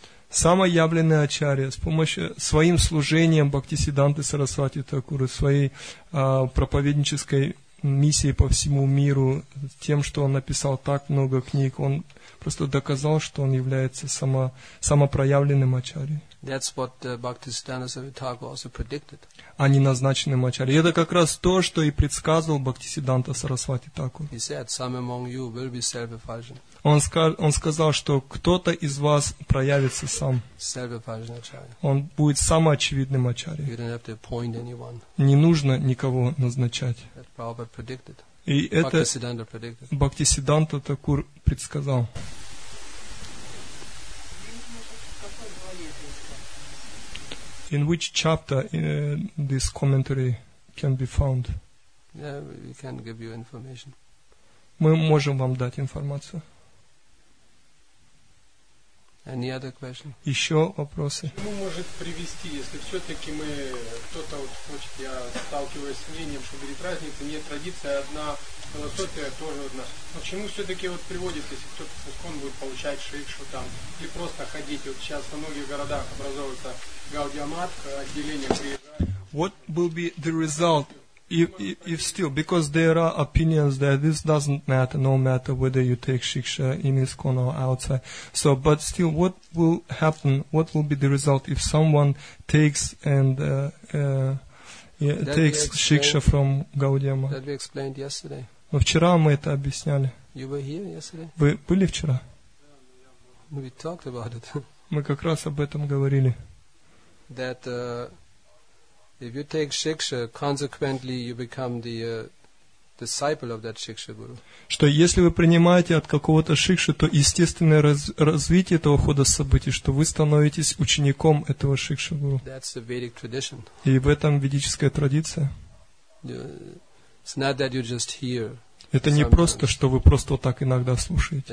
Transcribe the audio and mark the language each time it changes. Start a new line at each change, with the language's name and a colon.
Russian: Самоявленный ачарья с помощью своим служением Бхактисиддханты Сарасвати Такуру, своей проповеднической миссии по всему миру, тем, что он написал так много книг, он просто доказал, что он является самопроявленным ачарьей.
English: That's what Bhaktisiddhanta Sarasvati Thakur also predicted.
Russian: А не назначенным ачарьей. Это как раз то, что и предсказывал Бхактисиддханта Сарасвати Такур.
English: He said, some among you will be self-effulgent.
Russian: Он сказал, что кто-то из вас проявится сам.
English: Self-effulgent acharya.
Russian: Он будет самоочевидным ачарьей.
English: You don't have to appoint anyone.
Russian: Не нужно никого назначать.
English: That Prabhupada predicted.
Russian: И это Бхактисиддханта Такур предсказал.
English: In which chapter this commentary can be found? Yeah, we can give you information.
Russian: Мы можем вам дать информацию.
English: Any other question?
Russian: Еще вопросы? Чему может привести, если все-таки мы, кто-то вот хочет, я сталкиваюсь с мнением, что говорит, разница, нет традиции, одна философия тоже одна. Но чему все-таки вот приводит, если кто-то с ИСКОН будет получать шикшу там, и просто ходить, вот сейчас во многих городах образовывается Гаудия Мат, отделение приезжает.
English: What will be the result? If still, because there are opinions that this doesn't matter, no matter whether you take Shiksha in ISKCON or outside. So, but still, what will happen, what will be the result if someone takes takes Shiksha from Gaudiya Math? That we explained yesterday.
Russian: Но вчера мы это объясняли.
English: You were here yesterday?
Russian: Вы были вчера?
English: We talked about it.
Russian: Мы как раз об этом говорили.
English: That if you take shiksha, consequently you become the disciple of that shiksha guru.
Russian: Что если вы принимаете от какого-то шикши, то естественное развитие этого хода событий, что вы становитесь учеником этого шикши гуру.
English: That's the Vedic tradition.
Russian: И в этом ведическая традиция.
English: It's not that you just hear.
Russian: Это не просто, что вы просто вот так иногда слушаете.